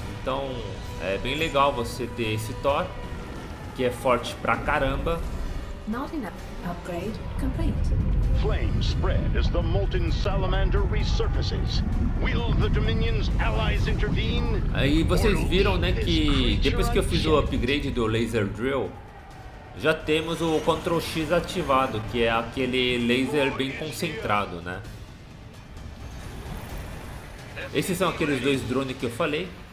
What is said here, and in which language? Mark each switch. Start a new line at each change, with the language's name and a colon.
Portuguese: Então é bem legal você ter esse Thor, que é forte pra caramba.
English: Not enough. Upgrade complete. Flame spread as the molten salamander resurfaces. Will the Dominion's allies intervene?
Portuguese: Aí vocês viram, né, que depois que eu fiz o upgrade do laser drill, já temos o Ctrl X ativado, que é aquele laser bem concentrado, né? Esses são aqueles dois drones que eu falei.